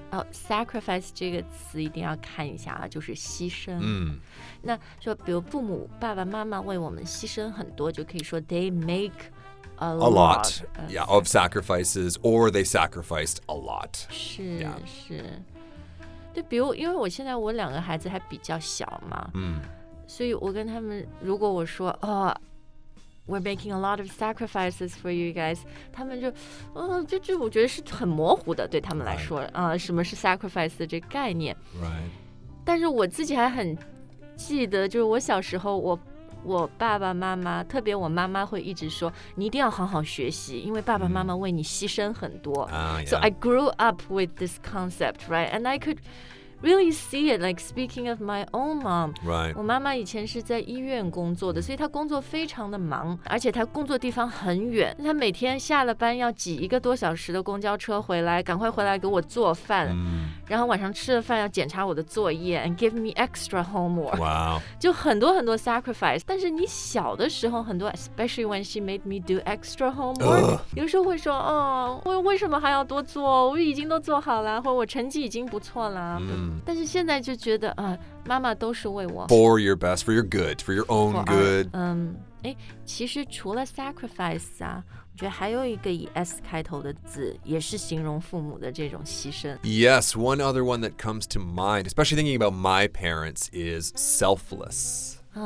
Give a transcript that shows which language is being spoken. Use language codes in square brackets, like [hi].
[zh] Oh, sacrifice 这个词一定要看一下啊，就是牺牲。 Mm. 那说比如父母爸爸妈妈为我们牺牲很多，就可以说 [en] they make... A lot. Yeah, of sacrifices, or they sacrificed a lot. 是、yeah. 是。 [zh] 对，比如因为我现在我两个孩子还比较小嘛，嗯、所以我跟他们如果我说哦、oh, ， [en] we're making a lot of sacrifices for you guys， [zh] 他们就，就我觉得是很模糊的，对他们来说，啊、 [en] right. [zh] 什么是 sacrifice 的这个概念 [en] ？Right. [zh] 但是我自己还很记得，就是我小时候我爸爸妈妈特别我妈妈会一直说你一定要好好学习因为爸爸妈妈为你牺牲很多、 mm. yeah. [en] So I grew up with this concept, right? And I could really see it, like speaking of my own mom. Right. [zh] 我妈妈以前是在医院工作的所以她工作非常的忙而且她工作地方很远她每天下了班要挤一个多小时的公交车回来赶快回来给我做饭、 mm. 然后晚上吃了饭要检查我的作业 [en] and give me extra homework. Wow. [zh] 就很多很多 sacrifice. 但是你小的时候很多 [en] especially when she made me do extra homework,、 Ugh. [zh] 有时候会说哦我为什么还要多做我已经都做好了或我成绩已经不错了。 Mm. 但是现在就觉得、妈妈都是为我。 [en] For your best, for your good, for your own good. [zh] 其实除了 sacrifice 啊我觉得还有一个以 S 开头的字也是形容父母的这种牺牲 [en] Yes, one other one that comes to mind especially thinking about my parents is selfless、